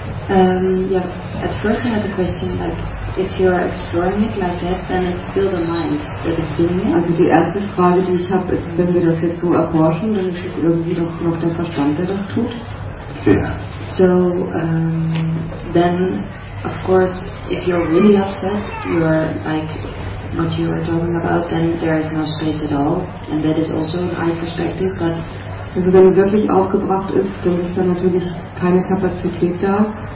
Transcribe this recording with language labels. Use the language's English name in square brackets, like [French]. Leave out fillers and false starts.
[English] Yeah, at first I had a question, like, if you are exploring it like that, then it's still the mind that is doing it. [German] Also die erste Frage, die ich habe, ist, wenn wir das jetzt so erforschen, dann ist es irgendwie doch noch der Verstand, der das tut. [English] Yeah. So, then, of course, if you're really upset, you're like, what you are talking about, then there is no space at all, and that is also an eye perspective, but... [German] Also wenn es wirklich aufgebracht ist, dann ist da natürlich keine Kapazität da.